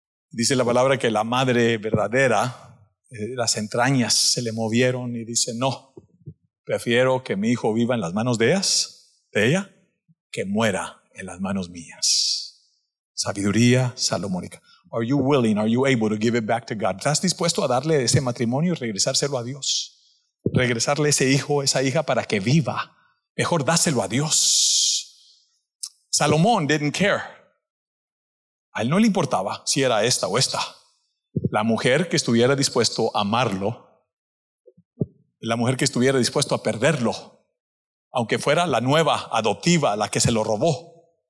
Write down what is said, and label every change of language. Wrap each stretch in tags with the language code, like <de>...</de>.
<es>Dice la palabra que la madre verdadera, las entrañas se le movieron y dice, no, prefiero que mi hijo viva en las manos de ella, que muera en las manos mías. Sabiduría salomónica.</es> <en>Are you willing, are you able to give it back to God?</en> <es>¿Estás dispuesto a darle ese matrimonio y regresárselo a Dios? Regresarle ese hijo, esa hija para que viva. Mejor dáselo a Dios. Salomón</es> <en>didn't care.</en> <es>A él no le importaba si era esta o esta. La mujer que estuviera dispuesto a amarlo, la mujer que estuviera dispuesto a perderlo, aunque fuera la nueva adoptiva, la que se lo robó.</es>